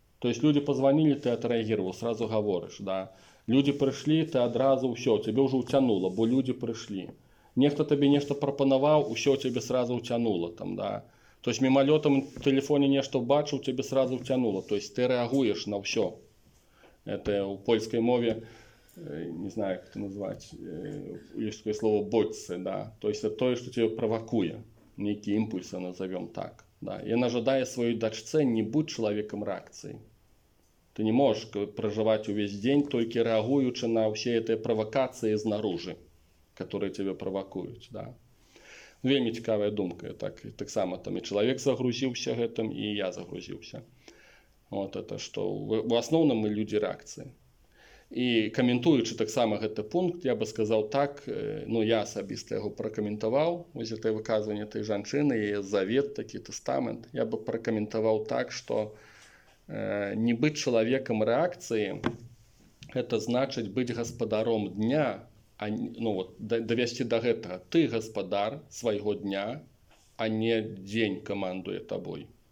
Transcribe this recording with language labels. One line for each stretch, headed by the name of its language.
Belarusian: То есть людзі пазванілі, ты адрэагіраваў, сразу гаворыш, да. Людзі прыйшлі, ты адразу ўсё, цябе ўжо ўцянула, бо людзі прыйшлі. Нехта табе нешта прапанаваў, усё цябе сразу ўцянула там, да. То есть мімалётам у тэлефоне нешта ўбачыў, цябе сразу ўцянула, то есть ты рэагуеш на ўсё.
Russian: Это у польской мове, не знаю, как это назвать, есть такое слово «боцце», да, то есть это то, что тебя провокует, некие импульсы, назовем так, да. И она ожидает своей дочце, не будь человеком реакции. Ты не можешь проживать весь день, только реагуючи на все эти провокации снаружи, которые тебя провокуют, да.
Belarusian: Вельми цікавая думка,
Russian: так само там и человек загрузился этим, и я загрузился. Вот это что в
Belarusian: асноўным мы людзі рэакцыі. І каментуючы таксама гэты пункт, я бы сказаў так, ну я асабіста яго пракаментаваў, вось гэтае выказванне той жанчыны, яе завет, такі тэстамент, я бы пракаментаваў так, што не быць чалавекам рэакцыі, гэта значыць быць гаспадаром дня, а ну вот давесці да гэтага, ты гаспадар свайго дня, а не дзень камандуе табой.